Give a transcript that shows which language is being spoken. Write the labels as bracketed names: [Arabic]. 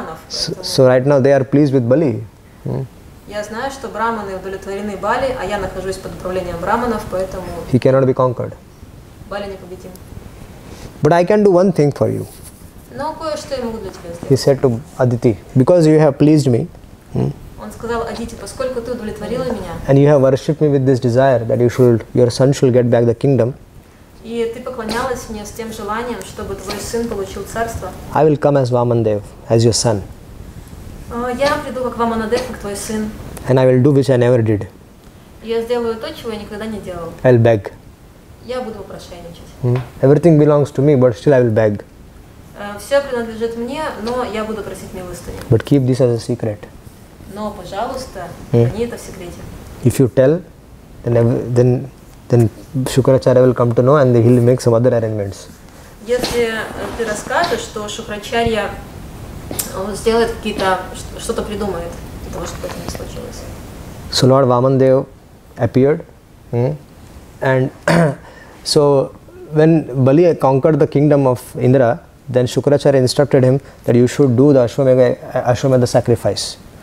[English] So right now they are pleased with Bali. [Russian] Я знаю, что Брахманы удовлетворены Бали, а я нахожусь под управлением Брахманов, поэтому. [English] He cannot be conquered. [Russian] Бали непобедим. [English] But I can do one thing for you. [Russian] Но кое-что я могу для тебя сделать. [English] He said to Aditi, because you have pleased me. [Russian] Он сказал Адити, поскольку ты удовлетворила меня. [English] And you have worshipped me with this desire that you should, your son should get back the kingdom. [Russian] И ты поклонялась мне с тем желанием, чтобы твой сын получил царство. [English] I will come as Vamandev, as your son. [Russian] Я приду как Ваманадев, как твой сын. [English] And I will do which I never did. [Russian] Я сделаю то, чего я никогда не делал. [English] I'll beg. [Russian] Я буду упрошайничать. [English] Everything belongs to me, but still I will beg. [Russian] Все принадлежит мне, но я буду просить милостыню. [English] But keep this as a secret. [Russian] Но, пожалуйста, не это в секрете. [English] If you tell, then Shukracharya will come to know and he'll make some other arrangements. [Russian] Если ты расскажешь, что Шукрачарья сделает какие-то, что-то придумает, потому что это не случилось. [English] So Lord Vamandev appeared. And so when Bali conquered the kingdom of Indra, then Shukracharya instructed him that you should do the Ashwamedha sacrifice.